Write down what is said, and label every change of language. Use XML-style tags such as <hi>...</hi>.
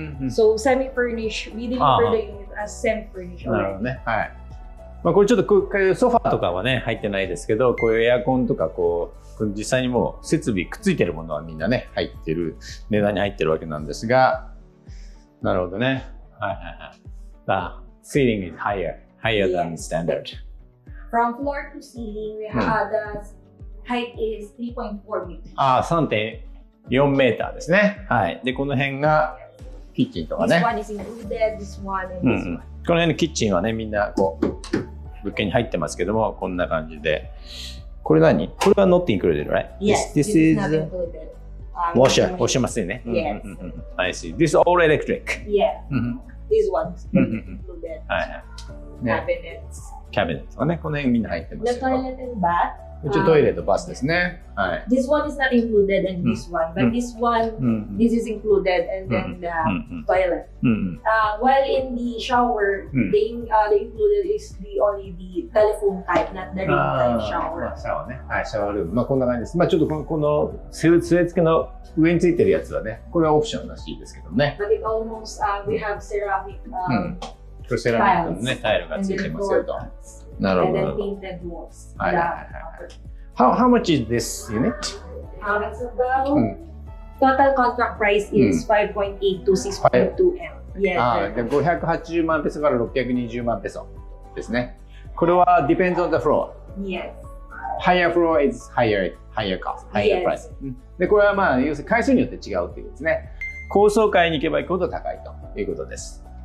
<en>So semi-furnished, we deliver the unit as semi-furnished.</en> <ja>なるほどね。はい。まあ、これちょっとソファーとかはね、入ってないですけど、こういうエアコンとかこう、実際にもう設備くっついてるものはみんなね、入ってる、値段に入ってるわけなんですが、なるほどね。はいはいはい。</ja> <en>The ceiling is higher than standard. From floor to ceiling, the height is 3.4 meters. 3.4 meters</en> <ja>ですね。はい。で、この辺が、キッチンとかね。この辺のキッチンはね、みんなこう物件に入ってますけども、こんな感じで。これ何？これは</ja> <en>not included, right? Yes, this is not included. Washer, washer machine, ね。 Yes. I see. This is all electric. Yeah. This one is included. Cabinets.</en> <ja>Cabinets とかね、この辺みんな入ってます。</ja> <en>The toilet and bath.</en> <ja>ちょっとトイレとバスですね。はい。</ja> <en>This one is not included and this one, but this one, this is included and then the toilet. While in the shower, the included is the only the telephone type, not the shower.</en> <ja>Shower ね。はい、シャワールーム。まあこんな感じです。まあちょっとこの据え付けの上についてるやつはね、これはオプションらしいですけどね。</ja> <en>But it almost, we have ceramic,</en> <ja>これセラミックのね、タイルがついてますよと。なるほど。はいはいはい。</ja> <en>How much is this unit? It's about total contract price is 5.8 to 6.2 million. Yeah.</en> <ja>580万ペソから620万ペソですね。これは</ja> <en>depends on the floor. Yes. Higher floor is higher cost, higher price. Yes.</en> <ja>でこれはまあ要するに階数によって違うっていうですね。高層階に行けば行くほど高いということです。</ja>